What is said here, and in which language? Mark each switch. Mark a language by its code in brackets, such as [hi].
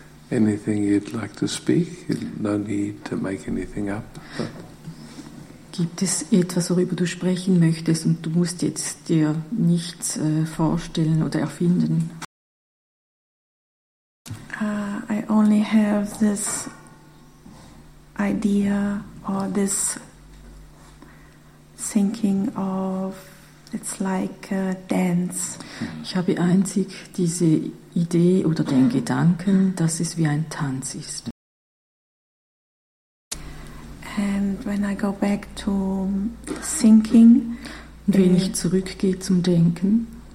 [en] Anything you'd like to speak? No need to make anything up. [de] Gibt es etwas, worüber du sprechen möchtest und du musst jetzt dir nichts vorstellen oder erfinden? [en] I only have this idea or this thinking of, it's like a dance. [de] Ich habe einzig diese Idee oder den Gedanken, dass es wie ein Tanz ist. [en] And when I go back to thinking, [de] und wenn ich zurückgehe zum Denken,